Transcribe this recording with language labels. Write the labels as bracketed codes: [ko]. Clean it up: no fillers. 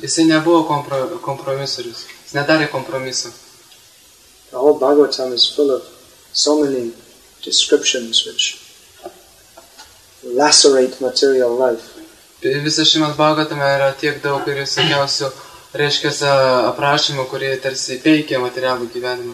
[lt] Jis nebuvo kompromisorius. Jis nedarė kompromiso. [en] The whole Bhagavatam is full of so many descriptions which lacerate material life. [lt] Visa Šrimad Bhagavatam yra tiek daug ir visokiausių, reiškia, aprašymų, kurie tarsi peikia materialų gyvenimą.